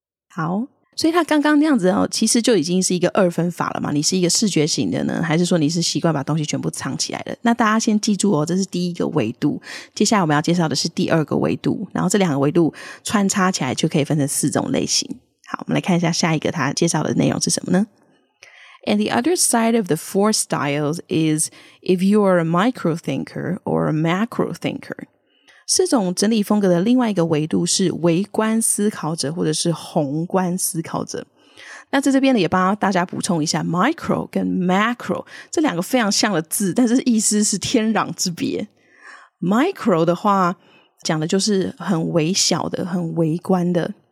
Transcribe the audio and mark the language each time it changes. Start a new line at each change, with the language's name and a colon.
Chinese: 好，所以他刚刚那样子哦，其实就已经是一个二分法了嘛。你是一个视觉型的呢，还是说你是习惯把东西全部藏起来的？那大家先记住哦，这是第一个维度。接下来我们要介绍的是第二个维度，然后这两个维度穿插起来就可以分成四种类型。好，我们来看一下下一个他介绍的内容是什么呢？
English: And the other side of the four styles is if you are a micro thinker or a macro thinker.
Chinese: 四种整理风格的另外一个维度是微观思考者或者是宏观思考者。那在这边呢，也帮大家补充一下 micro 跟 macro 这两个非常像的字，但是意思是天壤之别。 micro 的话讲的就是很微小的，很微观的。